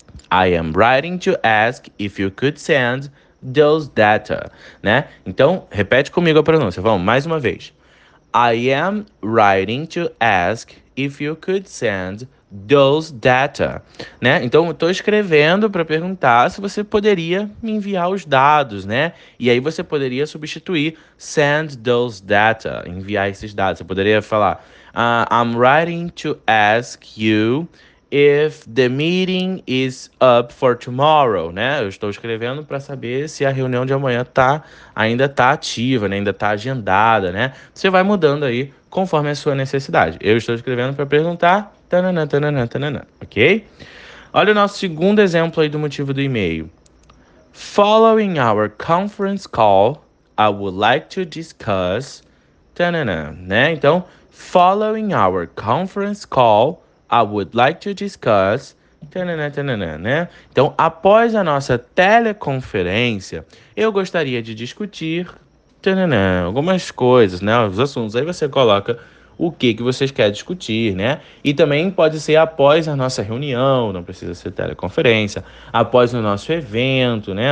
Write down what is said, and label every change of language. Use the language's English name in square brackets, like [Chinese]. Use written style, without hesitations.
[English] I am writing to ask if you could send those data, né? [Portuguese] Então, repete comigo a pronúncia. Vamos, mais uma vez. [English] I am writing to ask if you could send those data, né? [Portuguese] Então, eu estou escrevendo para perguntar se você poderia me enviar os dados, né? E aí você poderia substituir [English] send those data, [Portuguese] enviar esses dados. Você poderia falar, [English] I'm writing to ask you if the meeting is up for tomorrow, né? [Portuguese] Eu estou escrevendo para saber se a reunião de amanhã ainda tá ativa, né? Ainda tá agendada, né? Você vai mudando aí conforme a sua necessidade. Eu estou escrevendo para perguntar, tananã, tananã, tananã, ok? Olha o nosso segundo exemplo aí do motivo do e-mail. [English] Following our conference call, I would like to discuss, tananã, né? Então, following our conference call, I would like to discuss, tanana, tanana, né? [Portuguese] Então, após a nossa teleconferência, eu gostaria de discutir, tanana, algumas coisas, né? Os assuntos. Aí você coloca o que vocês querem discutir, né? E também pode ser após a nossa reunião, não precisa ser teleconferência, após o nosso evento, né?